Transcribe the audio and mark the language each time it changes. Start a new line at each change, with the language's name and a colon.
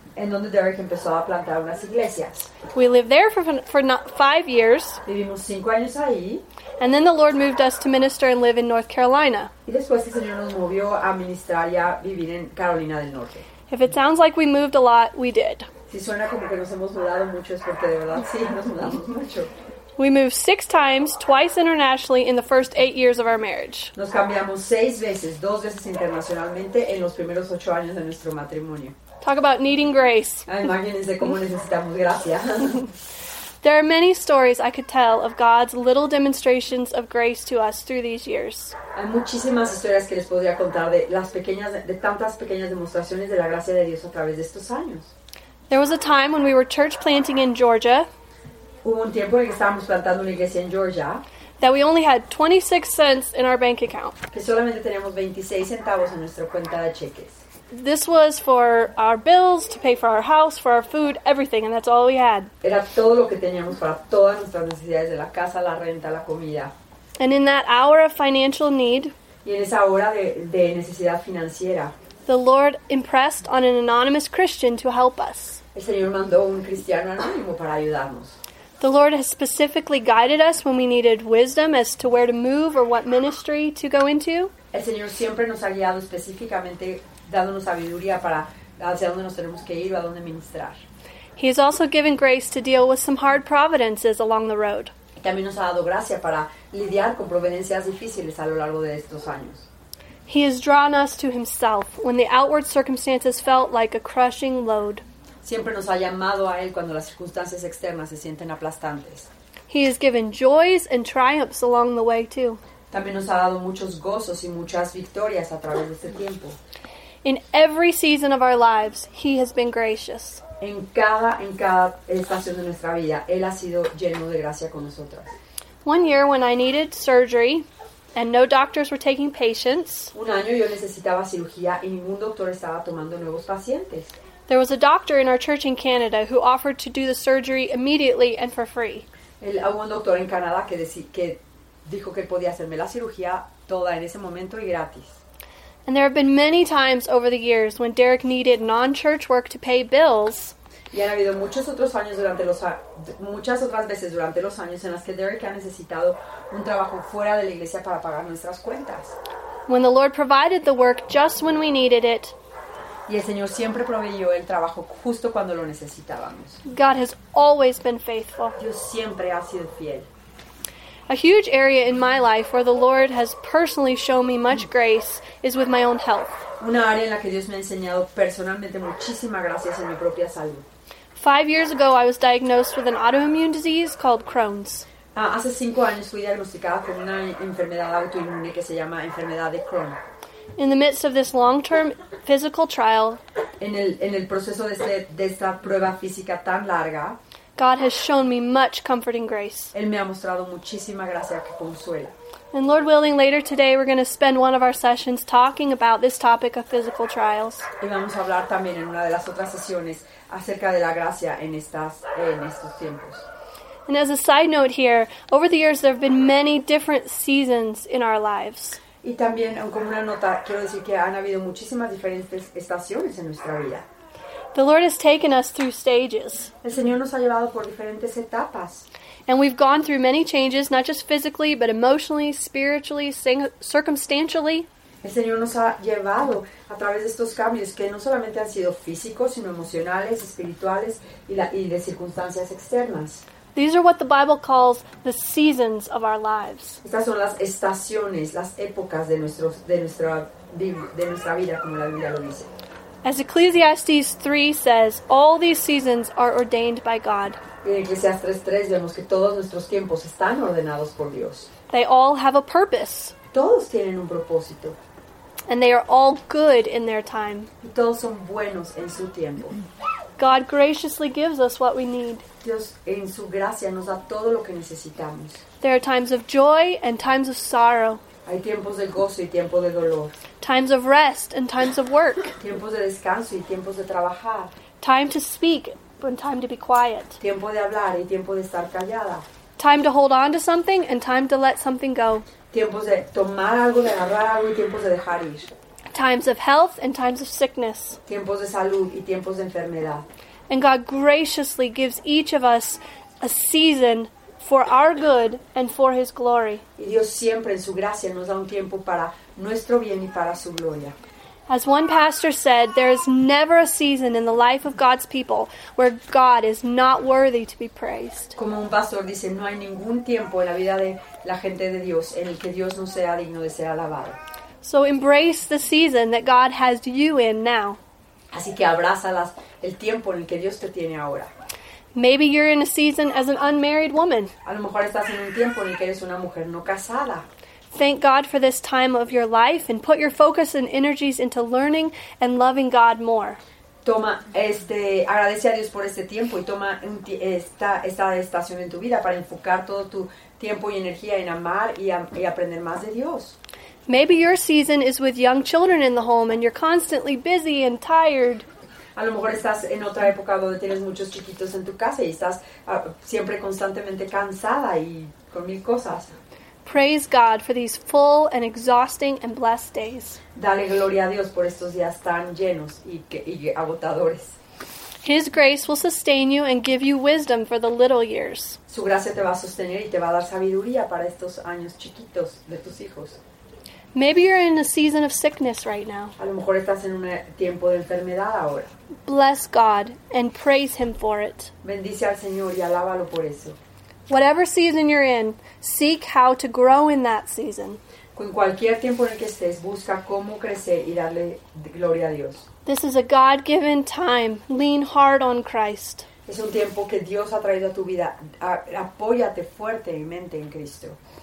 Spanish: En donde Derek empezó a plantar unas iglesias.
English: We lived there for 5 years.
Spanish: Vivimos 5 años ahí.
English: And then the Lord moved us to minister and live in North Carolina.
Spanish: Y después el Señor nos movió a ministrar y a vivir en Carolina del Norte.
English: If it sounds like we moved a lot, we did.
Spanish: Si suena como que nos hemos mudado mucho, es porque de verdad sí, nos mudamos mucho.
English: We moved 6 times, twice internationally, in the first 8 years of our marriage.
Spanish: Nos cambiamos 6 veces, 2 veces internacionalmente, en los primeros 8 años de nuestro matrimonio.
English: Talk about needing grace.
Spanish: Imagínense cómo necesitamos gracia.
English: There are many stories I could tell of God's little demonstrations of grace to us through these years.
Spanish: Hay muchísimas historias que les podría contar de tantas pequeñas demostraciones de la gracia de Dios a través de estos años.
English: There was a time when we were church planting in Georgia.
Spanish: Hubo un tiempo en que estábamos plantando una iglesia en Georgia.
English: That we only had 26 cents in our bank account.
Spanish: Que solamente teníamos 26 centavos en nuestra cuenta de cheques.
English: This was for our bills, to pay for our house, for our food, everything, and that's all we had.
Spanish: Era todo lo que teníamos para todas nuestras necesidades de la casa, la renta, la comida.
English: And in that hour of financial need,
Spanish: y en esa hora de necesidad financiera,
English: the Lord impressed on an anonymous Christian to help us.
Spanish: El Señor mandó un cristiano anónimo para ayudarnos.
English: The Lord has specifically guided us when we needed wisdom as to where to move or what ministry to go into.
Spanish: El Señor siempre nos ha guiado específicamente dándonos sabiduría para hacia dónde nos tenemos que ir o a dónde ministrar.
English: He has also given grace to deal with some hard providences along the road.
Spanish: También nos ha dado gracia para lidiar con providencias difíciles a lo largo de estos años.
English: He has drawn us to himself when the outward circumstances felt like a crushing load.
Spanish: Siempre nos ha llamado a él cuando las circunstancias externas se sienten aplastantes.
English: He has given joys and triumphs along the way too.
Spanish: También nos ha dado muchos gozos y muchas victorias a través de este tiempo.
English: In every season of our lives, he has been gracious.
Spanish: En cada estación de nuestra vida, él ha sido lleno de gracia con nosotros.
English: One year when I needed surgery and no doctors were taking patients.
Spanish: Un año yo necesitaba cirugía y ningún doctor estaba tomando nuevos pacientes.
English: There was a doctor in our church in Canada who offered to do the surgery immediately and for free.
Spanish: Hubo un doctor en Canadá que dijo que podía hacerme la cirugía toda en ese momento y gratis.
English: And there have been many times over the years when Derek needed non-church work to pay bills.
Spanish: Y han habido muchos otros años durante los muchas otras veces durante los años en las que Derek ha necesitado un trabajo fuera de la iglesia para pagar nuestras cuentas.
English: When the Lord provided the work just when we needed it.
Spanish: Y el Señor siempre proveyó el trabajo justo cuando lo necesitábamos.
English: God has always been faithful.
Spanish: Dios siempre ha sido fiel.
English: A huge area in my life where the Lord has personally shown me much grace is with my own health.
Spanish: Una área en la que Dios me ha enseñado personalmente muchísima gracia en mi propia salud.
English: 5 years ago, I was diagnosed with an autoimmune disease called Crohn's.
Spanish: Hace 5 años fui diagnosticada con una enfermedad autoinmune que se llama enfermedad de Crohn.
English: In the midst of this long-term physical trial,
Spanish: en el proceso de esta prueba física tan larga,
English: God has shown me much comforting grace.
Spanish: Él me ha mostrado muchísima gracia que consuela.
English: And Lord willing, later today we're going to spend one of our sessions talking about this topic of physical trials.
Spanish: Y vamos a hablar también en una de las otras sesiones acerca de la gracia en estos tiempos.
English: And as a side note here, over the years there have been many different seasons in our lives.
Spanish: Y también, como una nota, quiero decir que han habido muchísimas diferentes estaciones en nuestra vida.
English: The Lord has taken us through stages.
Spanish: El Señor nos ha llevado por diferentes etapas.
English: And we've gone through many changes, not just physically, but emotionally, spiritually, circumstantially.
Spanish: El Señor nos ha llevado a través de estos cambios que no solamente han sido físicos, sino emocionales, espirituales y de circunstancias externas.
English: These are what the Bible calls the seasons of our lives.
Spanish: Estas son las estaciones, las épocas de nuestra vida, como la Biblia lo dice.
English: As Ecclesiastes 3 says, all these seasons are ordained by God.
Spanish: En Ecclesiastes 3 vemos que todos nuestros tiempos están ordenados por Dios.
English: They all have a purpose.
Spanish: Todos tienen un propósito.
English: And they are all good in their time.
Spanish: Y todos son buenos en su tiempo.
English: God graciously gives us what we need.
Spanish: Dios en su gracia nos da todo lo que necesitamos.
English: There are times of joy and times of sorrow.
Spanish: Hay tiempos de gozo y tiempos de dolor.
English: Times of rest and times of work.
Spanish: Tiempos de descanso y tiempos de trabajar.
English: Time to speak and time to be quiet.
Spanish: Tiempo de hablar y tiempo de estar callada.
English: Time to hold on to something and time to let something go.
Spanish: Tiempos de tomar algo, de agarrar algo y tiempos de dejar ir.
English: Times of health and times of sickness.
Spanish: Tiempos de salud y tiempos de enfermedad.
English: And God graciously gives each of us a season for our good and for His glory.
Spanish: Y Dios siempre en su gracia nos da un tiempo para nuestro bien y para su gloria.
English: As one pastor said, there is never a season in the life of God's people where God is not worthy to be praised.
Spanish: Como un pastor dice, no hay ningún tiempo en la vida de la gente de Dios en el que Dios no sea digno de ser alabado.
English: So embrace the season that God has you in now.
Spanish: Así que abrázalas el tiempo en el que Dios te tiene ahora.
English: Maybe you're in a season as an unmarried woman.
Spanish: A lo mejor estás en un tiempo en el que eres una mujer no casada.
English: Thank God for this time of your life and put your focus and energies into learning and loving God more.
Spanish: Agradece a Dios por este tiempo y toma esta estación en tu vida para enfocar todo tu tiempo y energía en amar y aprender más de Dios.
English: Maybe your season is with young children in the home and you're constantly busy and tired.
Spanish: A lo mejor estás en otra época donde tienes muchos chiquitos en tu casa y estás siempre constantemente cansada y con mil cosas.
English: Praise God for these full and exhausting and blessed days.
Spanish: Dale gloria a Dios por estos días tan llenos y agotadores.
English: His grace will sustain you and give you wisdom for the little years.
Spanish: Su gracia te va a sostener y te va a dar sabiduría para estos años chiquitos de tus hijos.
English: Maybe you're in a season of sickness right now.
Spanish: A lo mejor estás en un tiempo de enfermedad ahora.
English: Bless God and praise Him for it.
Spanish: Bendice al Señor y alábalo por eso.
English: Whatever season you're in, seek how to grow in that season.
Spanish: Con cualquier tiempo en el que estés, busca cómo crecer y darle gloria a Dios.
English: This is a God-given time. Lean hard on Christ.
Spanish: Es un tiempo que Dios ha traído a tu vida. Apóyate fuertemente en Cristo.